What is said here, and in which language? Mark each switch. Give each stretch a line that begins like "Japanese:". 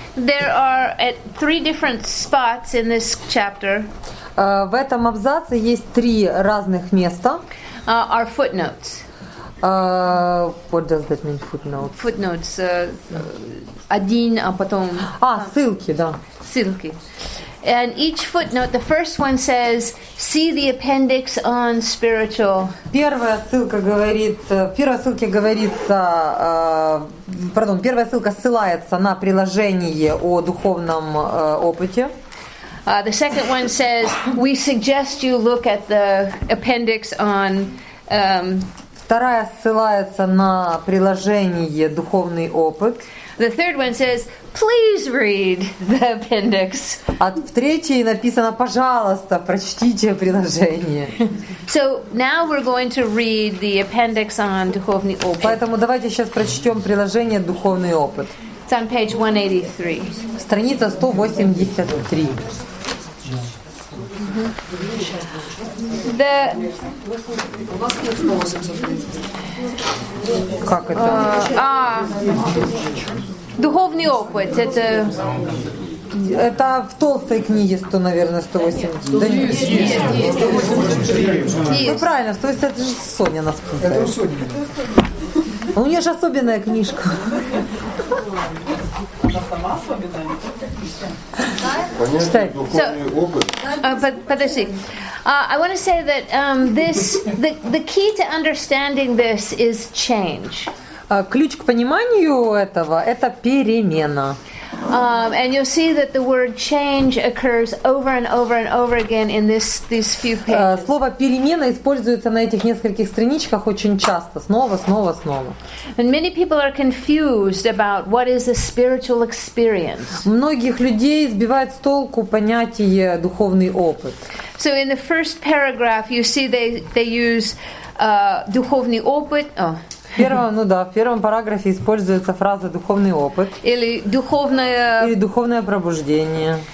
English: there are at three different spots in this chapter.
Russian: В этом абзаце есть три разных места.
English: Are footnotes. What does that mean, footnotes? Footnotes.
Russian: Один, а потом... ссылки, да.
English: Ссылки. And each footnote, the first one says, see the appendix on spiritual.
Russian: Первая ссылка ссылается на приложение о духовном опыте.
English: The second one says, we suggest you look at the appendix on
Russian: Вторая ссылается на приложение «Духовный опыт».
English: The third one says, please read the appendix.
Russian: А в третьей написано, пожалуйста, прочтите приложение.
English: So now we're going to read the appendix on
Russian: «Духовный опыт». Поэтому давайте сейчас прочтем приложение «Духовный опыт».
English: It's on page 183.
Russian: Страница 183. Как это? Духовный опыт. Это в толстой книге, что, наверное, 180. Да нет. Есть. Ну правильно, 180 это же Соня нас путает. Это у Сони. У нее же особенная книжка.
English: I want to say that this the key to understanding this is change.
Russian: Ключ к пониманию этого – это перемена.
English: And you'll see that the word change occurs over and over and over again in these few pages.
Russian: Слово перемена используется на этих нескольких страничках очень часто, снова, снова, снова.
English: And many people are confused about what is a spiritual experience.
Russian: Многих людей сбивает с толку понятие духовный опыт.
English: So in the first paragraph, you see they use
Russian: духовный опыт.
English: Oh.
Russian: В первом параграфе используется фраза «духовный опыт» или «духовное пробуждение».